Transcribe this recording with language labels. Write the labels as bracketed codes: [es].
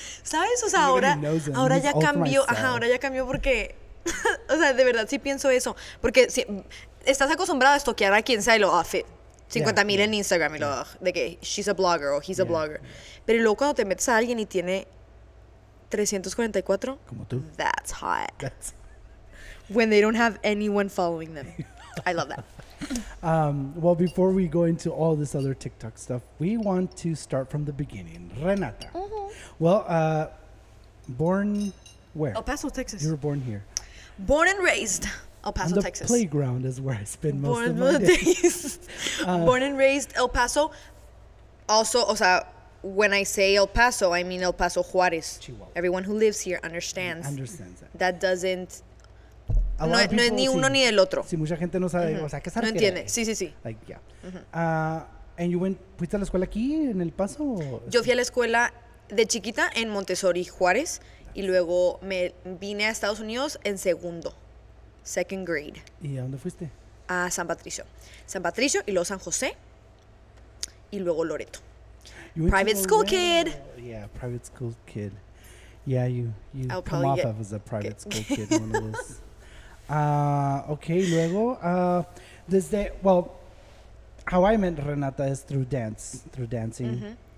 [es] ¿Sabes? O sea, ahora ya cambió, ahora ya cambió porque o sea, de verdad sí pienso eso, porque si estás acostumbrado a stalkear a quien sea y lo hace 50,000 en Instagram y lo de que [en] she's a blogger [es] o [en] he's a blogger. [es] Pero luego cuando te metes a alguien y tiene 344. Como tú. [en] That's hot. When they don't have anyone following them. I love that. Well, before we go into all this other TikTok stuff, we want to start from the beginning. Renata. Mm-hmm. Well, born where? El Paso, Texas. You were born here. Born and raised El Paso, the Texas. The playground is where I spend most of my days. Born and raised El Paso. Also, o sea, when I say El Paso, I mean El Paso Juárez. Chihuahua. Everyone who lives here understands. Understands that. That doesn't. [es] No es ni uno ni el otro. Si mucha gente no sabe, o sea, ¿qué sabe? No entiende. Sí. [en] Like, yeah. Uh-huh. And you went. [es] ¿Fuiste a la escuela aquí en El Paso? Yo fui a la escuela de chiquita en Montessori Juárez. Y luego me vine a Estados Unidos en [en] second grade. [es] ¿Y a dónde fuiste? A San Patricio. San Patricio y luego San José. Y luego Loreto. [en] Private school kid. Yeah, private school kid. Yeah, you come off as a private school kid. One of those. Okay, [es] luego, desde, [en] well, how I met Renata is through dance, through dancing, mm-hmm.